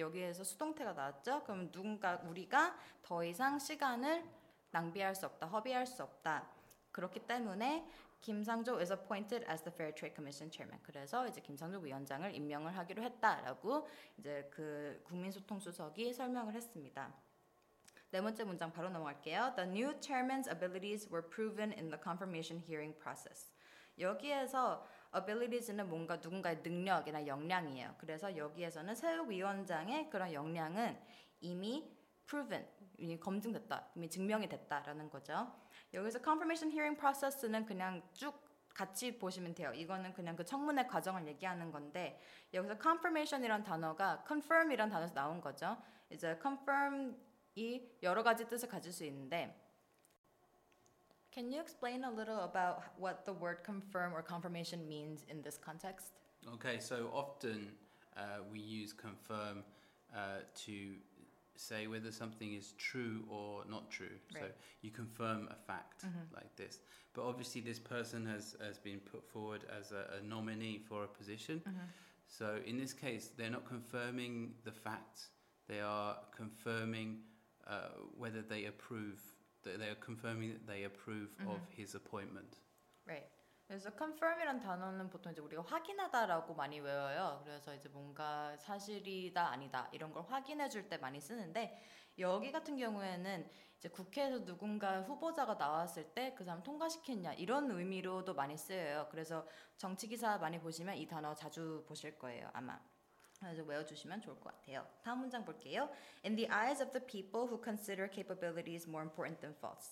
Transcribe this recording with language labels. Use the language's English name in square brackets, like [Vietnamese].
[Korean] 여기에서 수동태가 나왔죠. 그럼 누군가 우리가 더 이상 시간을 낭비할 수 없다. 허비할 수 없다. 그렇기 때문에 [English] 김상조 is appointed as the Fair Trade Commission chairman. [Korean] 그래서 이제 김상조 위원장을 임명을 하기로 했다라고 이제 그 국민소통수석이 설명을 했습니다. 네 번째 문장 바로 넘어갈게요. [English] The new chairman's abilities were proven in the confirmation hearing process. [Korean] 여기에서 abilities는 뭔가 누군가의 능력이나 역량이에요. 그래서 여기에서는 새 위원장의 그런 역량은 이미 proven, 이미 검증됐다, 이미 증명이 됐다라는 거죠. 여기서 confirmation hearing process는 그냥 쭉 같이 보시면 돼요. 이거는 그냥 그 청문회 과정을 얘기하는 건데 여기서 confirmation이란 단어가 confirm이란 단어에서 나온 거죠. 이제 confirm이 여러 가지 뜻을 가질 수 있는데 [English] Can you explain a little about what the word confirm or confirmation means in this context? Okay, so often we use confirm to say whether something is true or not true. Right. So you confirm a fact like this. But obviously this person has been put forward as a nominee for a position. So in this case, they're not confirming the facts. They are confirming whether they approve They are confirming that they approve of his appointment. [Korean] Right. 그래서 confirm이란 단어는 보통 이제 우리가 확인하다라고 많이 외워요. 그래서 이제 뭔가 사실이다 아니다 이런 걸 확인해 줄 때 많이 쓰는데 여기 같은 경우에는 이제 국회에서 누군가 후보자가 나왔을 때 그 사람 통과시켰냐 이런 의미로도 많이 쓰여요. 그래서 정치 기사 많이 보시면 이 단어 자주 보실 거예요 아마. 그래서 외워주시면 좋을 것 같아요. 다음 문장 볼게요. [English] In the eyes of the people who consider capabilities more important than faults.